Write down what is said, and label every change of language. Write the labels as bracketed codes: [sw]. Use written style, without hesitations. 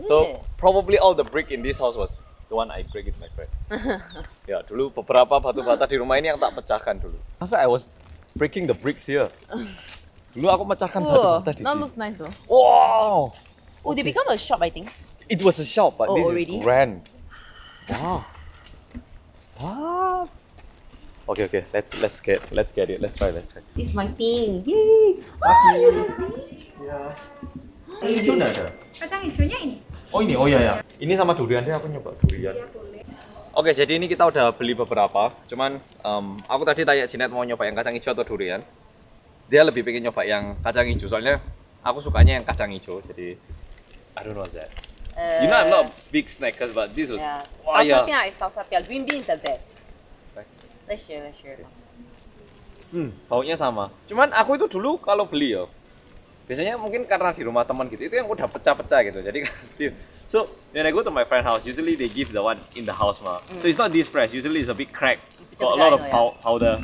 [en] so probably all the brick in this house was the one I break it, my friend. [id] Ya, dulu beberapa batu bata di rumah ini yang tak pecahkan dulu. Masa [en] I was breaking the bricks here. [id] Dulu aku pecahkan batu bata di sini. [en] Not looks nice though. Wow. Okay. Oh, they become a shop, I think. It was a shop, but oh, this already? Is grand. Wow. What? Okay, okay. Let's get it. Let's try. This is my thing. Yay! Ah, you have this? Yeah. [id] Hijau nggak ada? Kacang hijaunya ini. Oh ini, oh iya. Ini sama durian deh, aku nyoba durian. Iya boleh. Oke, jadi ini kita udah beli beberapa. Cuman aku tadi tanya Jeanette mau nyoba yang kacang hijau atau durian. Dia lebih pengen nyoba yang kacang hijau, soalnya aku sukanya yang kacang hijau. Jadi [en] I don't know that. You know I'm not a big snackers, but this was. Yeah. Wah, yeah. Sapia, green beans the best. Let's share. [id] Baunya sama. Cuman aku itu dulu kalau beli ya, biasanya mungkin karena di rumah teman gitu, itu yang udah pecah-pecah gitu. [en] Jadi so when I go to my friend house, usually they give the one in the house mah. So it's not this fresh, usually it's a bit crack, got a lot of powder.